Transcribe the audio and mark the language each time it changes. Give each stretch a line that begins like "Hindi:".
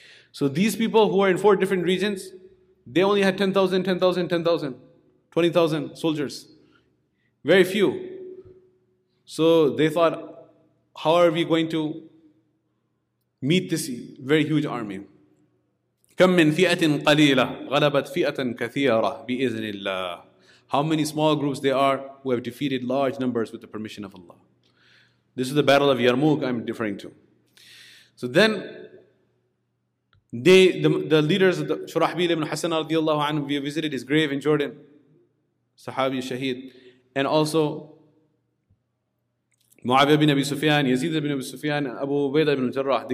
English: So these people who are in four different regions, they only had 10,000, 10,000, 10,000, 20,000 soldiers. Very few. So they thought, how are we going to meet this very huge army?
Arabic: كم من فئة قليلة غلبت فئة كثيرة بإذن الله.
English: How many small groups they are who have defeated large numbers with the permission of Allah. This is the battle of Yarmouk I'm referring to. So then, the leaders of the Shurahbil ibn Hassan radiallahu anhu, we visited his grave in Jordan, Sahabi Shaheed, and also Muawiyah bin Abi Sufyan, Yazid bin Abi Sufyan, and Abu Ubaidah bin Jarrah.